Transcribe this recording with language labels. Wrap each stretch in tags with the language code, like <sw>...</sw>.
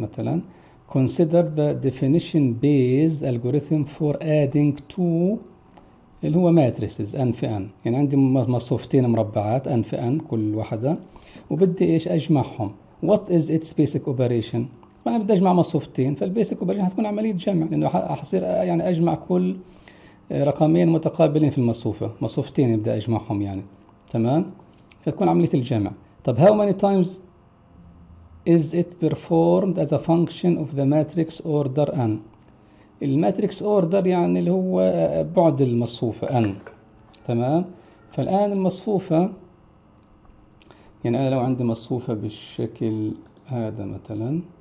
<ar>مثلا</ar> <en>consider the definition based algorithm for adding two</en> <ar>اللي هو matrices n في n، يعني عندي مصفوفتين مربعات n في n كل واحدة، وبدي ايش اجمعهم.</ar> <en>what is its basic operation؟</en> <ar>فانا بدي اجمع مصفوفتين، فالبيسك اوبريشن هتكون عملية جمع، لانه هصير يعني اجمع كل رقمين متقابلين في المصفوفة، مصفوفتين بدي اجمعهم يعني، تمام، فتكون عملية الجمع.</ar> <en>طب how many times is it performed as a function of the matrix order n؟</en> <ar>الماتريكس اوردر يعني اللي هو بعد المصفوفة n، تمام. فالآن المصفوفة يعني أنا لو عندي مصفوفة بالشكل هذا مثلا،</ar>